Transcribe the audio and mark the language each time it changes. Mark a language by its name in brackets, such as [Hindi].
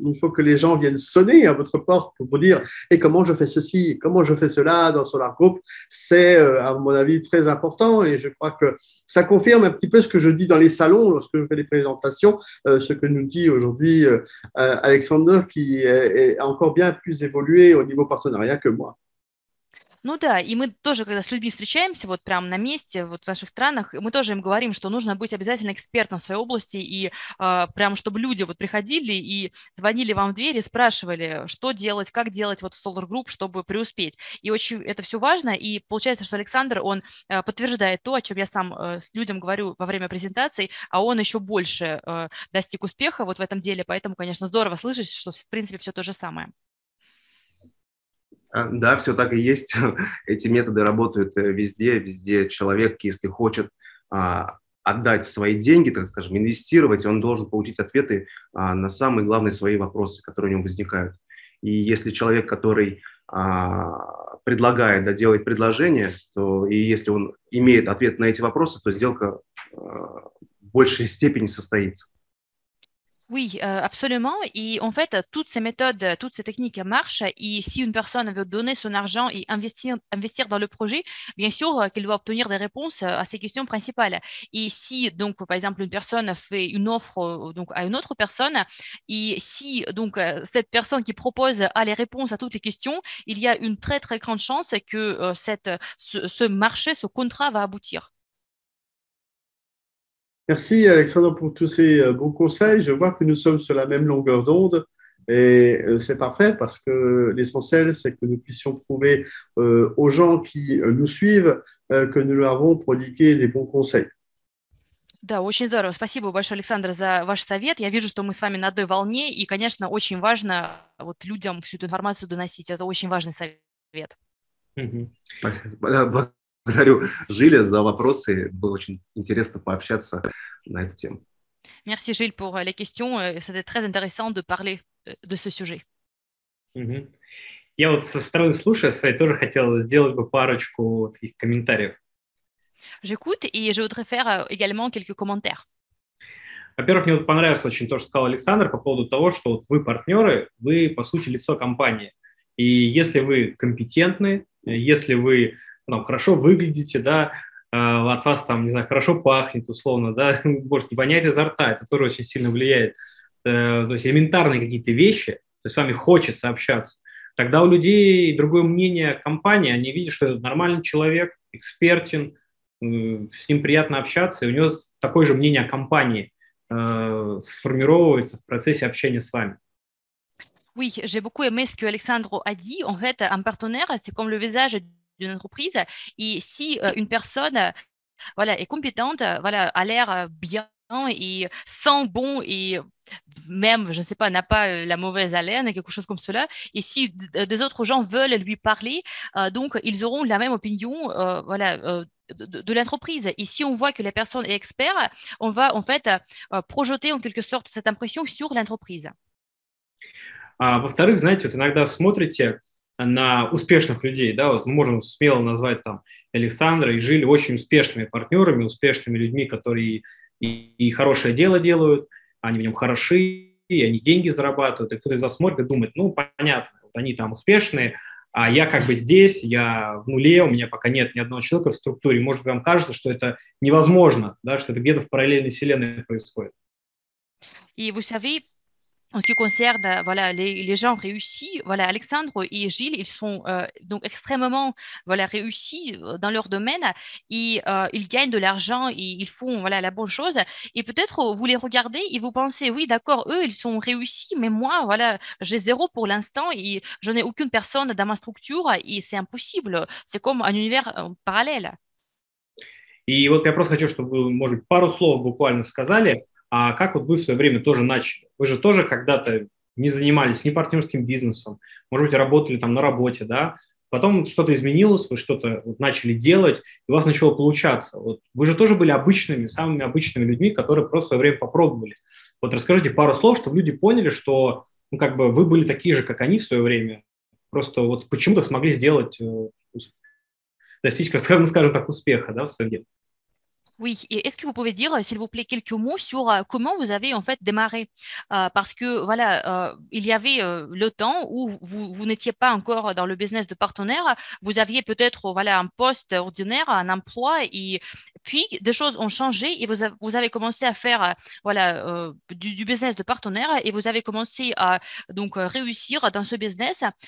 [French] Il faut que les gens viennent sonner à votre porte pour vous dire, et comment je fais ceci, comment je fais cela dans Solar Group. C'est, à mon avis, très important et je crois que ça confirme un petit peu ce que je dis dans les salons lorsque je fais des présentations, ce que nous dit aujourd'hui Alexander qui est encore bien plus évolué au niveau partenariat que moi. [Russian] Ну да, и мы тоже, когда с людьми встречаемся, вот прямо на месте, вот в наших странах, мы тоже им говорим, что нужно быть обязательно экспертом в своей области, и прямо чтобы люди вот приходили и звонили вам в дверь и спрашивали, что делать, как делать вот в Solar Group, чтобы преуспеть. И очень это все важно, и получается, что Александр, он подтверждает то, о чем я сам с людям говорю во время презентации, а он еще больше достиг успеха вот в этом деле, поэтому, конечно, здорово слышать, что в принципе все то же самое. Да, все так и есть. Эти методы работают везде, везде человек, если хочет отдать свои деньги, так скажем, инвестировать, он должен получить ответы на самые главные свои вопросы, которые у него возникают. И если человек, который предлагает, да, делает предложение, то и если он имеет ответ на эти вопросы, то сделка в большей степени состоится. [French] Oui, absolument. Et en fait, toutes ces méthodes, toutes ces techniques marchent. Et si une personne veut donner son argent et investir dans le projet, bien sûr qu'elle doit obtenir des réponses à ses questions principales. Et si, donc, par exemple, une personne fait une offre donc, à une autre personne, et si donc, cette personne qui propose a les réponses à toutes les questions, il y a une très, très grande chance que ce marché, ce contrat va aboutir. Merci Alexandre pour tous ces bons conseils. Je vois que nous sommes sur la même longueur d'onde et c'est parfait parce que l'essentiel, c'est que nous puissions prouver aux gens qui nous suivent que nous leur avons prodigué des bons conseils. [Russian] Да, очень здорово. Спасибо большое, Александр, за ваш совет. Я вижу, что мы с вами на одной волне и, конечно, очень важно вот людям всю эту информацию доносить. Это очень важный совет. Спасибо. Благодарю Жиля за вопросы. Было очень интересно пообщаться на эту тему. [French] Merci, Жиль, pour les questions. C'était très intéressant de parler de ce sujet. Угу. [Russian] Я вот со стороны слушая своей тоже хотел сделать бы парочку таких комментариев. [French] J'écoute et je voudrais faire également quelques commentaires. [Russian] Во-первых, мне вот понравилось очень то, что сказал Александр по поводу того, что вот вы партнеры, вы, по сути, лицо компании. И если вы компетентны, если вы хорошо выглядите, да, от вас там, не знаю, хорошо пахнет, условно, да, боже, не воняет изо рта, это тоже очень сильно влияет. То есть элементарные какие-то вещи, то есть с вами хочется общаться, тогда у людей другое мнение о компании, они видят, что это нормальный человек, экспертен, с ним приятно общаться, и у него такое же мнение о компании сформировывается в процессе общения с вами. [French] Oui, j'ai beaucoup aimé ce que Alexandre a dit. En fait, un partenaire, c'est comme le visage d'une entreprise, et si une personne voilà, est compétente, voilà, a l'air bien et sent bon et même, je ne sais pas, n'a pas la mauvaise haleine, quelque chose comme cela, et si des autres gens veulent lui parler, donc ils auront la même opinion voilà, de l'entreprise. Et si on voit que la personne est expert, on va en fait projeter en quelque sorte cette impression sur l'entreprise. [Russian] Во-вторых, знаете, вот иногда смотрите на успешных людей, да, вот мы можем смело назвать там Александра и Жиль очень успешными партнерами, успешными людьми, которые и хорошее дело делают, они в нем хороши, и они деньги зарабатывают, и кто-то из вас смотрит и думает, ну, понятно, вот они там успешные, а я как бы здесь, я в нуле, у меня пока нет ни одного человека в структуре, может, вам кажется, что это невозможно, да, что это где-то в параллельной вселенной происходит. И вы сами... [French] En ce qui concerne voilà, les gens réussis, voilà, Alexandre et Gilles, ils sont donc extrêmement voilà, réussis dans leur domaine et ils gagnent de l'argent et ils font voilà, la bonne chose. Et peut-être vous les regardez et vous pensez, oui, d'accord, eux, ils sont réussis, mais moi, voilà, j'ai zéro pour l'instant et je n'ai aucune personne dans ma structure et c'est impossible. C'est comme un univers parallèle. [Russian] И вот я просто хочу, чтобы вы, может, пару слов буквально сказали. А как вот вы в свое время тоже начали? Вы же тоже когда-то не занимались ни партнерским бизнесом, может быть, работали там на работе, да? Потом что-то изменилось, вы что-то вот начали делать, и у вас начало получаться. Вот вы же тоже были обычными, самыми обычными людьми, которые просто в свое время попробовали. Вот расскажите пару слов, чтобы люди поняли, что ну, как бы вы были такие же, как они в свое время. Просто вот почему-то смогли достичь, скажем так, успеха, да, в своем деле. [French] Oui, et est-ce que vous pouvez dire, s'il vous plaît, quelques mots sur comment vous avez en fait démarré? Parce que voilà, il y avait le temps où vous n'étiez pas encore dans le business de partenaire, vous aviez peut-être voilà, un poste ordinaire, un emploi, et puis des choses ont changé et vous avez commencé à faire voilà, du business de partenaire et vous avez commencé à donc, réussir dans ce business.